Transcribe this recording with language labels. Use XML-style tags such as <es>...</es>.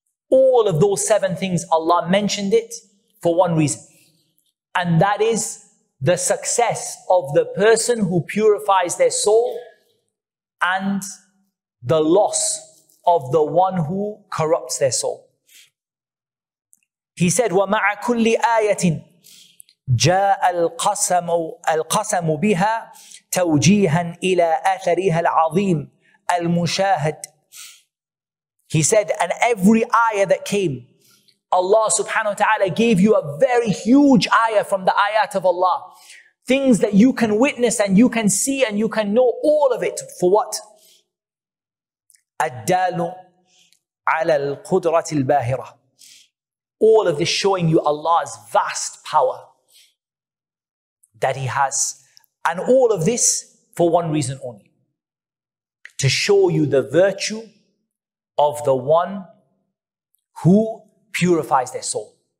<en>All of those seven things, Allah mentioned it for one reason. And that is the success of the person who purifies their soul and the loss of the one who corrupts their soul. He said,</en> <ar>وَمَعَ كُلِّ آيَةٍ جاء القسم بها توجيها إلى أثرها العظيم المشاهد.</ar> <en>He said, and every ayah that came, Allah subhanahu wa ta'ala gave you a very huge ayah from the ayat of Allah. Things that you can witness and you can see and you can know all of it. For what?</en> <ar>الدال على القدرة الباهرة.</ar> <en>All of this showing you Allah's vast power that he has. And all of this for one reason only. To show you the virtue of the one who purifies their soul.</en>